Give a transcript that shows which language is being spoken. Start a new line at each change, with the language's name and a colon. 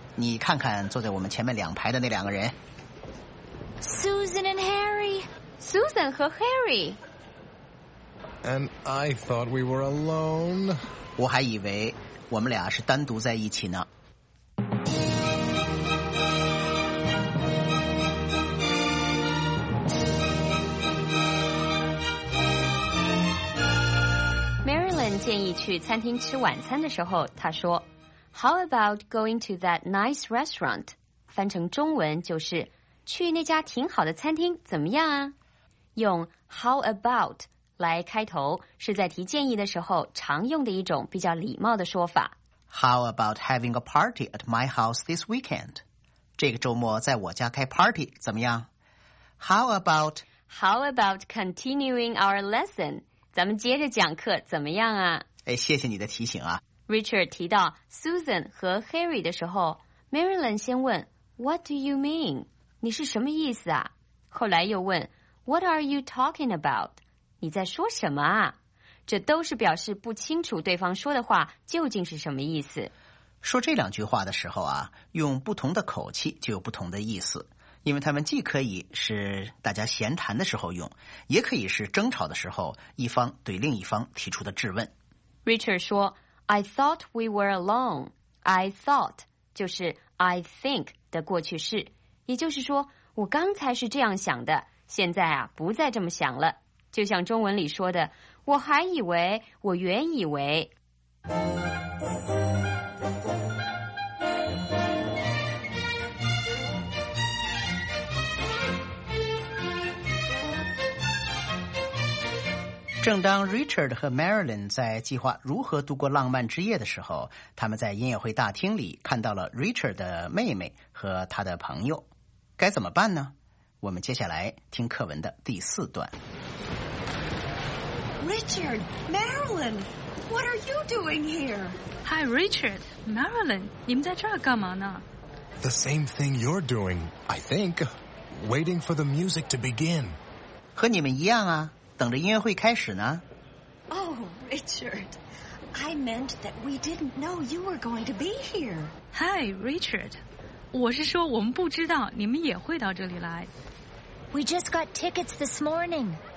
Chinese: 你看看坐在我们前面两排的那两个人。
English: Susan and Harry.
Chinese: Susan 和 Harry.
English: And I thought we were alone.
Chinese: 我还以为我们俩是单独在一起呢。 Marilyn 建议去餐厅吃晚餐的时候，她说
English: How about going to that nice restaurant?
Chinese: 翻成中文就是去那家挺好的餐厅怎么样啊？用 how about 来开头，是在提建议的时候常用的一种比较礼貌的说法。
English: How about having a party at my house this weekend?
Chinese: 这个周末在我家开 party 怎么样？
English: How about continuing our lesson?
Chinese: 咱们接着讲课怎么样啊？哎，谢谢你的提醒啊。 Richard 提到 Susan 和 Harry 的时候， Marilyn 先问
English: What do you mean?
Chinese: 你是什么意思啊？后来又问
English: What are you talking about?
Chinese: 你在说什么啊？这都是表示不清楚对方说的话究竟是什么意思。说这两句话的时候啊，用不同的口气就有不同的意思，因为他们既可以是大家闲谈的时候用，也可以是争吵的时候一方对另一方提出的质问。
English: Richard
Chinese: 说
English: I thought we were alone.
Chinese: I thought 就是 I think 的过去式，也就是说我刚才是这样想的，现在啊不再这么想了，就像中文里说的，我还以为，我原以为。正当 Richard 和 Marilyn 在计划如何度过浪漫之夜的时候，他们在音乐会大厅里看到了 Richard 的妹妹和他的朋友，该怎么办呢？我们接下来听课文的第四段。
English: Richard, Marilyn, what are you doing here?
Chinese: Hi, Richard, Marilyn, 你们在这儿干嘛呢？
English: The same thing you're doing, I think. Waiting for the music to begin.
Chinese: 和你们一样啊，等着音乐会开始呢。
English: Oh, Richard, I meant that we didn't know you were going to be here. Hi, Richard.
Chinese: 我是说我们不知道你们也会到这里来。
English: We just got tickets this morning.